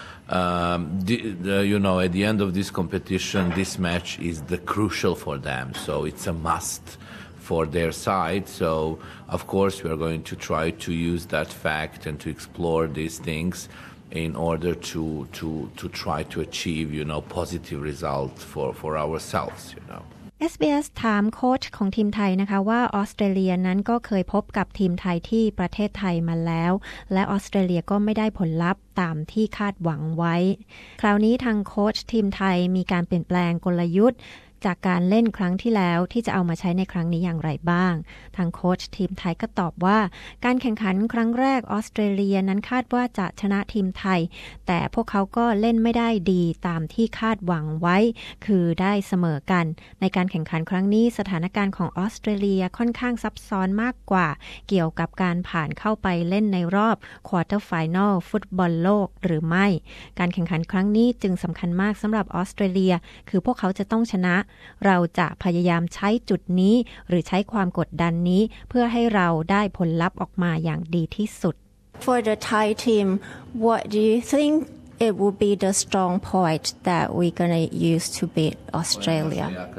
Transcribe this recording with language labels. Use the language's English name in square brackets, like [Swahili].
[English] At the end of this competition, this match is the crucial for them. So it's a must for their side. So, of course, we are going to try to use that fact and to explore these things in order to try to achieve, you know, positive result for ourselves, you know. [Thai] SBS ถามโค้ชของทีมไทยนะคะว่าออสเตรเลียนั้นก็เคยพบกับทีมไทยที่ประเทศไทยมาแล้วและออสเตรเลียก็ไม่ได้ผลลัพธ์ตามที่คาดหวังไว้คราวนี้ทางโค้ชทีมไทยมีการเปลี่ยนแปลงกลยุทธ์ จากการเล่นครั้งที่แล้วที่จะเอามาใช้ในครั้งนี้อย่างไรบ้างทางโค้ชทีมไทยก็ตอบว่าการแข่งขันครั้งแรกออสเตรเลียนั้นคาดว่าจะชนะทีมไทยแต่พวกเขาก็เล่นไม่ได้ดีตามที่คาดหวังไว้คือได้เสมอกันในการแข่งขันครั้งนี้สถานการณ์ของออสเตรเลียค่อนข้างซับซ้อนมากกว่าเกี่ยวกับการผ่านเข้าไปเล่นในรอบควอเตอร์ไฟแนลฟุตบอลโลกหรือไม่ การแข่งขันครั้งนี้จึงสำคัญมากสำหรับออสเตรเลียคือพวกเขาจะต้องชนะเราจะพยายามใช้จุดนี้หรือใช้ความกดดันนี้เพื่อให้เราได้ผลลัพธ์ออกมาอย่างดีที่สุด [English] For the Thai team, what do you think it will be the strong point that we're going to use to beat Australia?